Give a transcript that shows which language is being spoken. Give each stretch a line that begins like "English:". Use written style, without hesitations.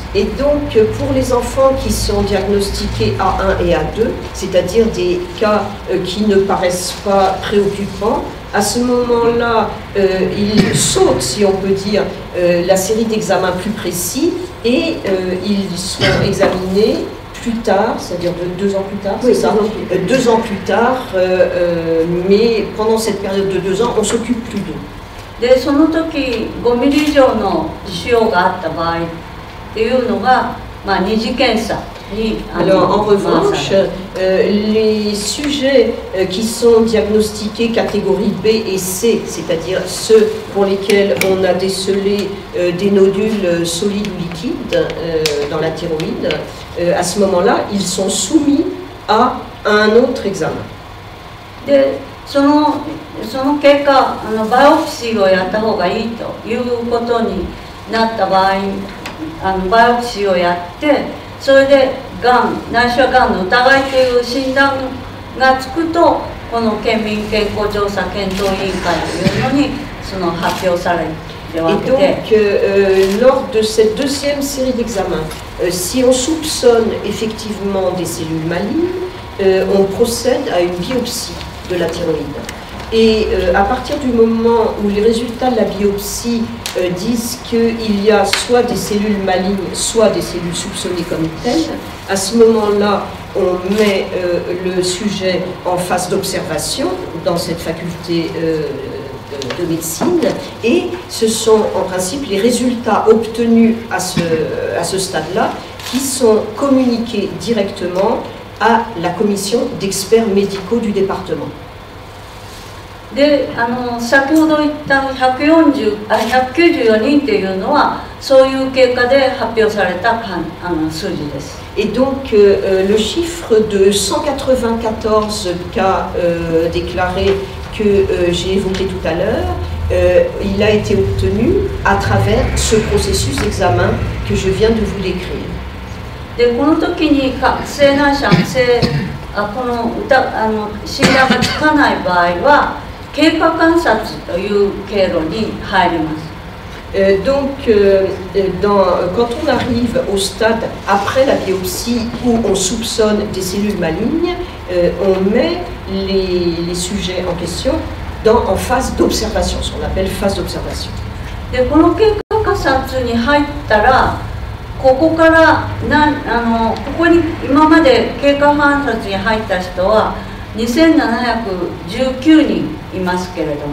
French: Et donc, pour les enfants qui sont diagnostiqués A1 et A2, c'est-à-dire des cas qui ne paraissent pas préoccupants, à ce moment-là, ils sautent, si on peut dire, la série d'examens plus précis et ils seront examinés plus tard, c'est-à-dire deux ans plus tard, c'est oui, ça, deux ans plus tard, mais pendant cette période de deux ans, on s'occupe plus d'eux.
Japanese: で、その時、5ミリ以上の腫瘍があった場合っていうのが、二次検査に。
French: Alors, en revanche, les sujets qui sont diagnostiqués catégorie B et C, c'est-à-dire ceux pour lesquels on a décelé des nodules solides ou liquides dans la thyroïde, à ce moment-là, ils sont soumis à un autre examen. De...
Japanese: その結果、バイオプシーをやった方がいいということになった場合、バイオプシーをやって、それでがん、内視はがんの疑いという診断がつくと、この県民健康調査検討委員会というのに発表されるわけで。
French: Et donc, lors de cette deuxième série d'examens, si on soupçonne effectivement des cellules malignes, on procède à une biopsie de la thyroïde. Et à partir du moment où les résultats de la biopsie disent qu'il y a soit des cellules malignes, soit des cellules soupçonnées comme telles, à ce moment-là, on met le sujet en phase d'observation dans cette faculté de médecine, et ce sont en principe les résultats obtenus à ce stade-là qui sont communiqués directement à la commission d'experts médicaux du département.
Japanese: で、先ほど言った194人というのはそういう結果で発表された数字です。
French: Et donc, le chiffre de 194 cas déclarés que j'ai évoqué tout à l'heure, il a été obtenu à travers ce processus d'examen que je viens de vous décrire.
Japanese: で、この時に性難者、性、あ、この、診断がつかない場合は経過観察という経路に入ります。
French: Quand on arrive au stade après la biopsie où on soupçonne des cellules malignes, on met les sujets en question en phase d'observation, ce qu'on appelle phase d'observation. Et quand on est entré dans la phase d'observation, quand on est entré dans la phase d'observation, il y a 2719.